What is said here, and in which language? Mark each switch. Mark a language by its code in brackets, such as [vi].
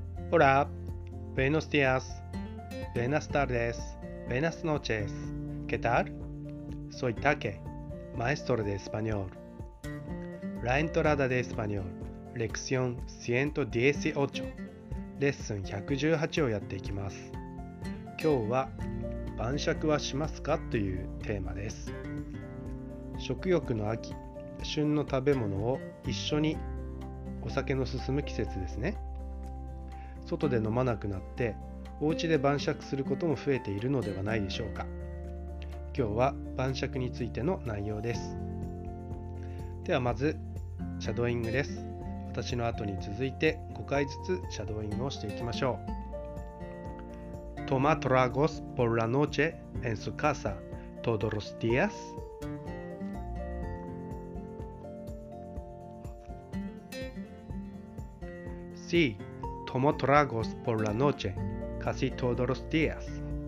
[es] Hola, buenos días, buenas tardes, buenas noches. ¿Qué tal? Soy Take, maestro de español. La entrada de español, lección 118, lección 118 [ja] をやっていきます。今日は晩酌はしますかというテーマです。食欲の秋、旬の食べ物を一緒にお酒の進む季節ですね。外で飲まなくなって、お家で晩酌することも増えているのではないでしょうか。今日は晩酌についての内容です。ではまず、シャドーイングです。私の後に続いて5回ずつシャドーイングをしていきましょう。 [es] Toma tragos por la noche en su casa todos los días. Sí, tomo tragos por la noche, casi todos los días.